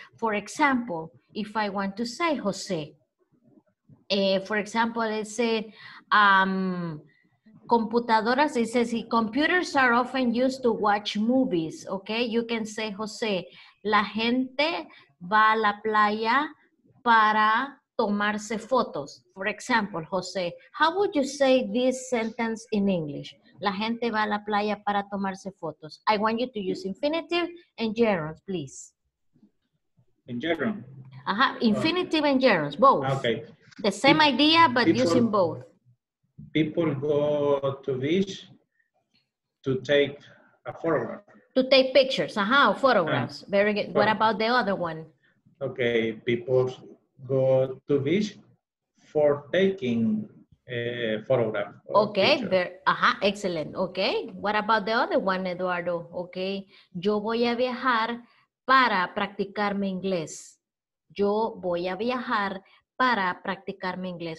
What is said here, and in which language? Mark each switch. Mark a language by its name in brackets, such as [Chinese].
[English] For example, if I want to say Jose, for example, let's say computadoras, it says computers are often used to watch movies, okay? You can say [Spanish] Jose, la gente va a la playa para tomarse fotos. [English] For example, Jose, how would you say this sentence in English? [Spanish] La gente va a la playa para tomarse fotos. [English] I want you to use infinitive and gerunds, please. In gerund. Uh-huh. Infinitive and gerunds, both. Okay. The same idea, but people, using both. People go to beach to take a photograph. To take pictures, uh-huh, photographs. Very good. What about the other one? Okay, people go to beach for taking a photograph. Okay, excellent. Okay, what about the other one, Eduardo? Okay, [Spanish] yo voy a viajar para practicar mi inglés. Yo voy a viajar para practicar mi inglés.